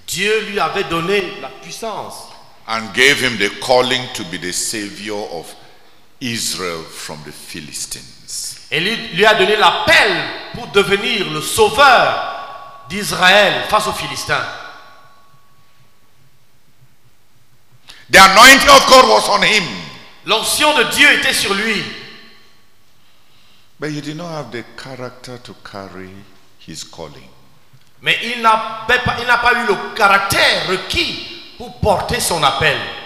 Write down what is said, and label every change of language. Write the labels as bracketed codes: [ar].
[fr] Dieu lui avait donné la puissance. [en] And gave him the calling to be the savior of Israel from the Philistines. [fr] Et lui a donné l'appel pour devenir le sauveur d'Israël face aux Philistins. [en] The anointing of God was on him. [fr] L'onction de Dieu était sur lui. [en] But he did not have the character to carry his calling. [fr] Mais il n'a pas eu le caractère requis pour porter son appel.